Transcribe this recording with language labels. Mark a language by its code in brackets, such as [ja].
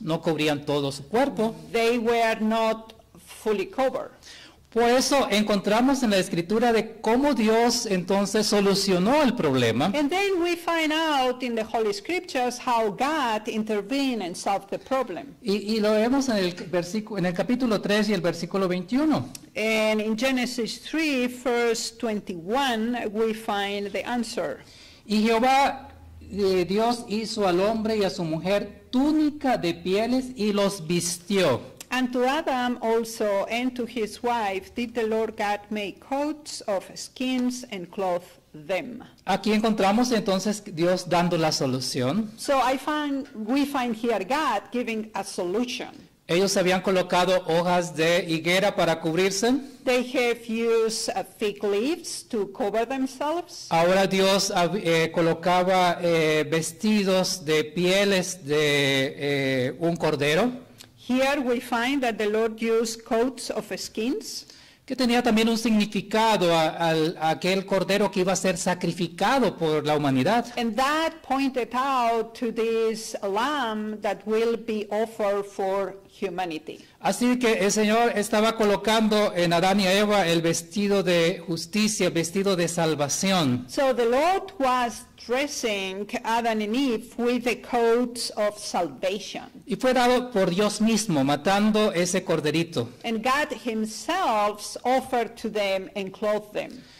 [es] No cubrían todo su cuerpo. [en] They were not fully covered. [es] Por eso encontramos en la Escritura de cómo Dios entonces solucionó el problema. [en] And then we find out in the Holy Scriptures how God intervened and solved the problem. [es] Y lo vemos en el capítulo 3 y el versículo 21. [en] And in Genesis 3, verse 21, we find the answer. [es] Y Jehová, Dios hizo al hombre y a su mujer túnica de pieles y los vistió. [en] And to Adam also and to his wife did the Lord God make coats of skins and clothe them. [es] Aquí encontramos entonces Dios dando la solución. [en] So we find here God giving a solution. [es] Ellos habían colocado hojas de higuera para cubrirse. [en] They have used fig leaves to cover themselves. [es] Ahora Dios colocaba vestidos de pieles de un cordero. [en] Here we find that the Lord used coats of skins. [es] Que tenía también un significado a aquel cordero que iba a ser sacrificado por la humanidad. [en] And that pointed out to this lamb that will be offered for humanity. [es] Así que el Señor estaba colocando en Adán y Eva el vestido de justicia, vestido de salvación. [en] So the Lord was dressing Adam and Eve with the coats of salvation. [es] Y fue dado por Dios mismo, matando ese corderito. [en] And God himself offered to them and clothed them.